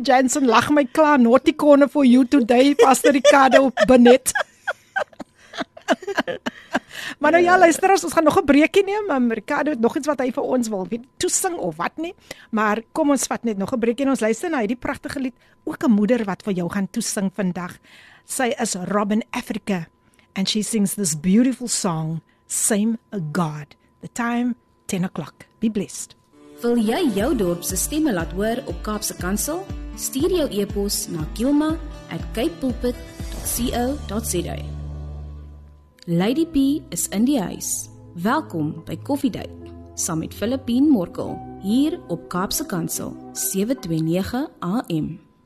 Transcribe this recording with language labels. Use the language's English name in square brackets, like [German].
[English] Jansen, lach my klaar, naughty corner for you today, Pastor Ricardo Benet. [Afrikaans] Maar nou ja, luisteraars, ons gaan nog 'n breekie neem. Ricardo het nog iets wat hy vir ons wil toesing of wat nie. Maar kom ons vat net nog 'n breekie en ons luister na hierdie pragtige lied. Ook 'n moeder wat vir jou gaan toesing vandag. [English] Sy is Robin Africa and she sings this beautiful song, Same God. The time, 10 o'clock. Be blessed. [Afrikaans] Wil jy jou dorp se stemme laat hoor op Kaapse Kansel? Stuur jou e-pos na kilma@capepulpit.co.za. Lady P is in die huis. Welkom by Koffiedייט saam met Filippine Morkel hier op Kaapse Kansel 729 AM.